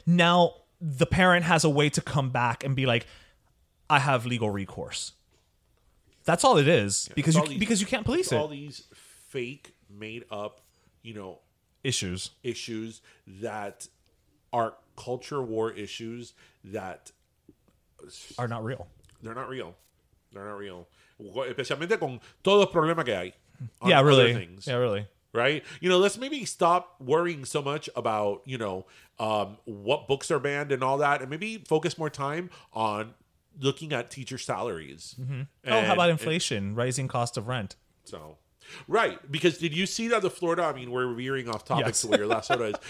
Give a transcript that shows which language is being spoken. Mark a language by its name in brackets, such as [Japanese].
[English] Now the parent has a way to come back and be like, I have legal recourse. That's all it is. Yeah, because you can't police it. All these fake, made up, you know, issues that are culture war issues that are not real. They're not real. [Spanish] Especialmente con todos los problemas que hay. [English] Yeah, really. Yeah, really. Right? You know, let's maybe stop worrying so much about, you know, what books are banned and all that, and maybe focus more time on looking at teacher salaries. Mm-hmm. And, oh, how about inflation, rising cost of rent? So, right, because did you see that the Florida, I mean, we're veering off topic, yes, to where your last one is.